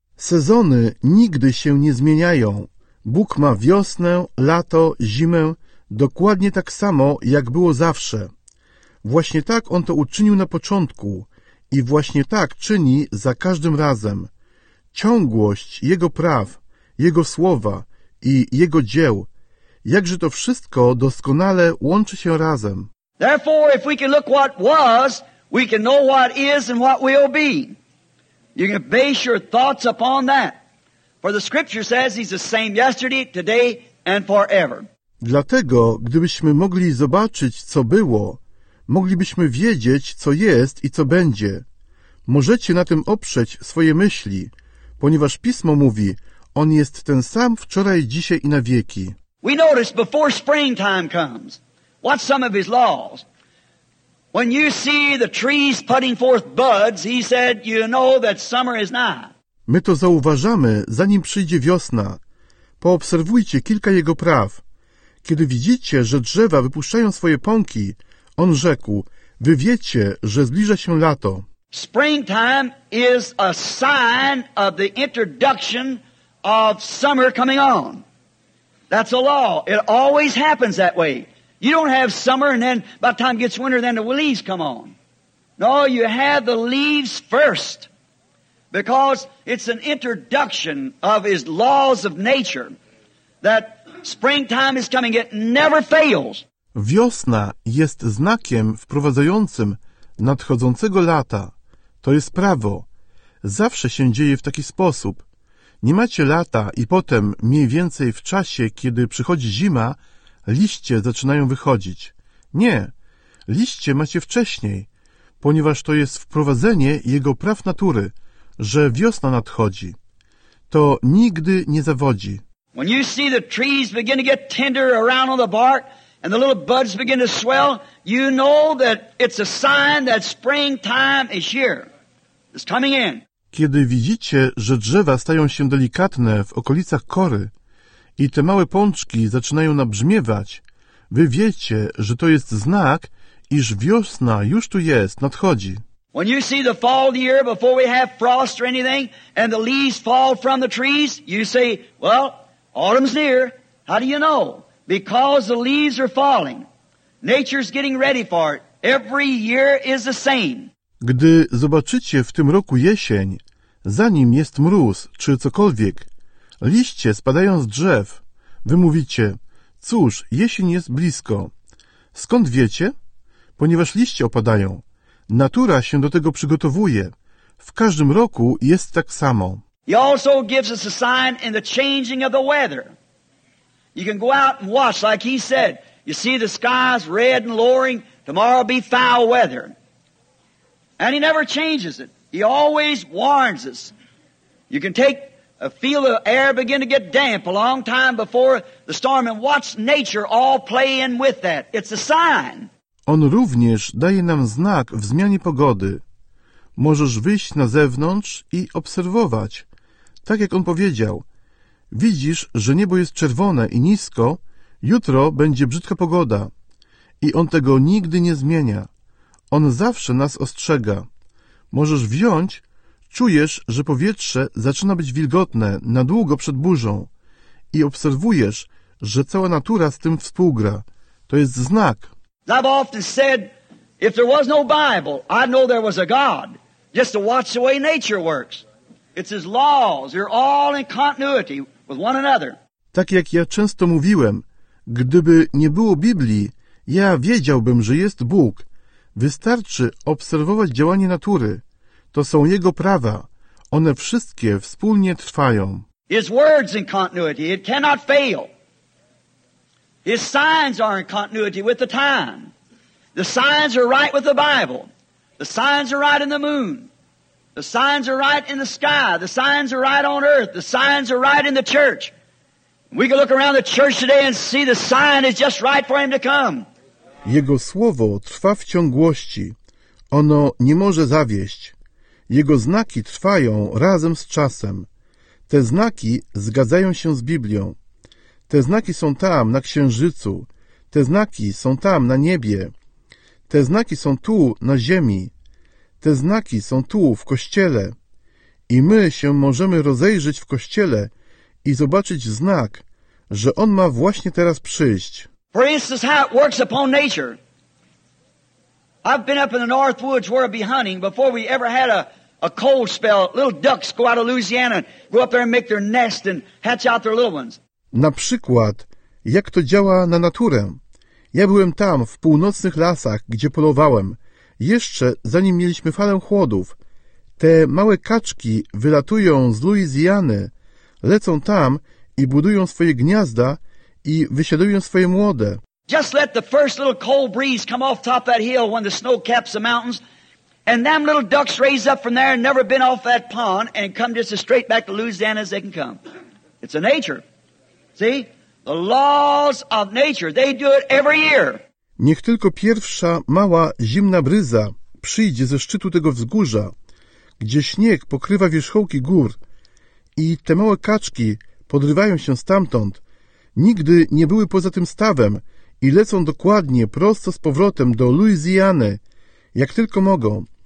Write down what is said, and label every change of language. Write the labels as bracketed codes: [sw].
[pl] Sezony nigdy się nie zmieniają. Bóg ma wiosnę, lato, zimę, dokładnie tak samo, jak było zawsze. Właśnie tak On to uczynił na początku i właśnie tak czyni za każdym razem. Ciągłość Jego praw, Jego słowa i Jego dzieł, jakże to wszystko doskonale łączy się razem. [en] Therefore, if we can look what was, we can know what is and what will be. You can base your thoughts upon that. For the Scripture says He's the same yesterday, today and forever. [pl] Dlatego, gdybyśmy mogli zobaczyć, co było, moglibyśmy wiedzieć, co jest i co będzie. Możecie na tym oprzeć swoje myśli, ponieważ Pismo mówi, On jest ten sam wczoraj, dzisiaj i na wieki. [en] We notice before springtime comes, what some of His laws. When you see the trees putting forth buds, He said, you know that summer is nigh. [pl] My to zauważamy, zanim przyjdzie wiosna. Poobserwujcie kilka Jego praw. Kiedy widzicie, że drzewa wypuszczają swoje pąki, On rzekł, wy wiecie, że zbliża się lato. [en] Springtime is a sign of the introduction of summer coming on. That's a law. It always happens that way. You don't have summer and then by the time it gets winter, then the leaves come on. No, you have the leaves first. Because it's an introduction of His laws of nature that springtime is coming. It never fails. [pl] Wiosna jest znakiem wprowadzającym nadchodzącego lata. To jest prawo. Zawsze się dzieje w taki sposób. Nie macie lata i potem mniej więcej w czasie, kiedy przychodzi zima, liście zaczynają wychodzić. Nie, liście macie wcześniej, ponieważ to jest wprowadzenie Jego praw natury, że wiosna nadchodzi. To nigdy nie zawodzi. [en] When you see the trees begin to get tender around on the bark, and the little buds begin to swell, you know that it's a sign that springtime is here. It's coming in. [pl] Kiedy widzicie, że drzewa stają się delikatne w okolicach kory i te małe pączki zaczynają nabrzmiewać, wy wiecie, że to jest znak, iż wiosna już tu jest, nadchodzi. [en] When you see the fall of the year before we have frost or anything, and the leaves fall from the trees, you say, well, autumn's near. How do you know? Because the leaves are falling. Nature's getting ready for it. Every year is the same. [pl] Gdy zobaczycie w tym roku jesień, zanim jest mróz czy cokolwiek, liście spadają z drzew, wy mówicie, cóż, jesień jest blisko. Skąd wiecie? Ponieważ liście opadają. Natura się do tego przygotowuje. W każdym roku jest tak samo. [en] He also gives us a sign in the changing of the weather. You can go out and watch, like he said. You see the skies red and lowering. Tomorrow be foul weather. And he never changes it. He always warns us. You can take a feel of air begin to get damp a long time before the storm and watch nature all play in with that. It's a sign. [pl] On również daje nam znak w zmianie pogody. Możesz wyjść na zewnątrz i obserwować. Tak jak on powiedział, widzisz, że niebo jest czerwone i nisko, jutro będzie brzydka pogoda. I on tego nigdy nie zmienia. On zawsze nas ostrzega. Możesz wziąć, czujesz, że powietrze zaczyna być wilgotne na długo przed burzą i obserwujesz, że cała natura z tym współgra. To jest znak. [en] I've often said, if there was no Bible, I'd know there was a God, just to watch the way nature works. It's His laws. They're all in continuity with one another. [pl] Tak jak ja często mówiłem, gdyby nie było Biblii, ja wiedziałbym, że jest Bóg. Wystarczy obserwować działanie natury. To są Jego prawa. One wszystkie wspólnie trwają. [en] His word's in continuity. It cannot fail. His signs are in continuity with the time. The signs are right with the Bible. The signs are right in the moon. The signs are right in the sky. The signs are right on earth. The signs are right in the church. We can look around the church today and see the sign is just right for Him to come. [pl] Jego słowo trwa w ciągłości. Ono nie może zawieść. Jego znaki trwają razem z czasem. Te znaki zgadzają się z Biblią. Te znaki są tam, na księżycu. Te znaki są tam, na niebie. Te znaki są tu, na ziemi. Te znaki są tu, w kościele. I my się możemy rozejrzeć w kościele i zobaczyć znak, że on ma właśnie teraz przyjść. [en] For instance, how it works upon nature. I've been up in the North Woods where I'd be hunting before we ever had a cold spell. Little ducks go out of Louisiana and go up there and make their nest and hatch out their little ones. [pl] Na przykład, jak to działa na naturę. Ja byłem tam, w północnych lasach, gdzie polowałem. Jeszcze zanim mieliśmy falę chłodów. Te małe kaczki wylatują z Luizjany, lecą tam i budują swoje gniazda i wysiadują swoje młode. [en] Just let the first little cold breeze come off top that hill when the snow caps the mountains, and them little ducks raise up from there and never been off that pond and come just as straight back to Louisiana as they can come. It's a nature. See? The laws of nature, they do it every year. [pl] Niech tylko pierwsza mała zimna bryza przyjdzie ze szczytu tego wzgórza, gdzie śnieg pokrywa wierzchołki gór i te małe kaczki podrywają się stamtąd, nigdy nie były poza tym stawem i lecą dokładnie prosto z powrotem do Luizjany, jak tylko mogą.